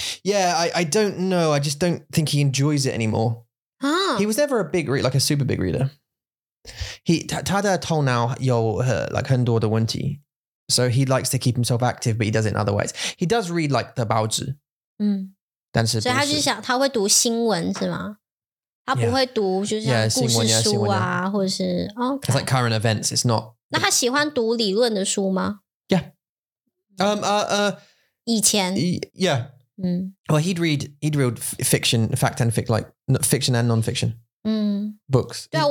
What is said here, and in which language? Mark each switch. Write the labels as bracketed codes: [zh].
[en] Yeah, I don't know I just don't think he enjoys it anymore He was never a big reader Like a super big reader He, [zh] 他的头脑有很多的问题 [en] So he likes to keep himself active But he does it in other ways He does read like the 报纸 [zh] 所以他就想他会读新闻是吗?他不会读就像故事书啊或者是 [en] Okay. It's like current events, it's not [zh] 那他喜欢读理论的书吗? [en] Yeah [zh] 以前 [en] Yeah Well he'd read fiction, fact and fic Like fiction and non-fiction Books